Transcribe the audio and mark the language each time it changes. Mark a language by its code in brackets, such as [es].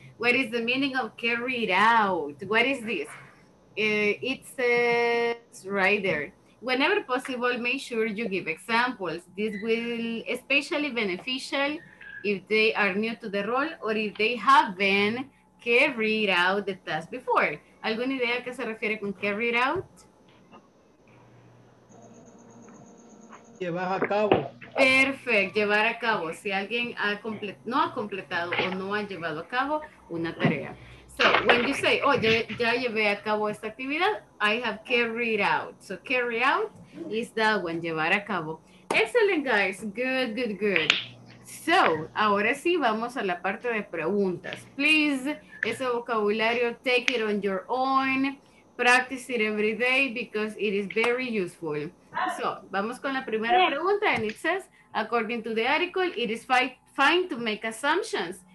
[en] What is the meaning of carry it out? What is this? It says right there. Whenever possible, make sure you give examples. This will especially beneficial if they are new to the role or if they haven't carried out the task before. [es] ¿Alguna idea que se refiere con carry it out? llevar a cabo. [en] Perfect, [es] llevar a cabo. Si alguien ha no ha completado o no ha llevado a cabo una tarea. [en] So, when you say, oh, [es] ya llevé a cabo esta actividad, [en] I have carried out. So, carry out is that one, [es] llevar a cabo. [en] Excellent, guys. Good, good, good. So, [es] ahora sí, vamos a la parte de preguntas. [en] Please, [es] ese vocabulario, [en] take it on your own. Practice it every day because it is very useful. So, [es] vamos con la primera pregunta. [en] And it says, according to the article, it is fine to make assumptions.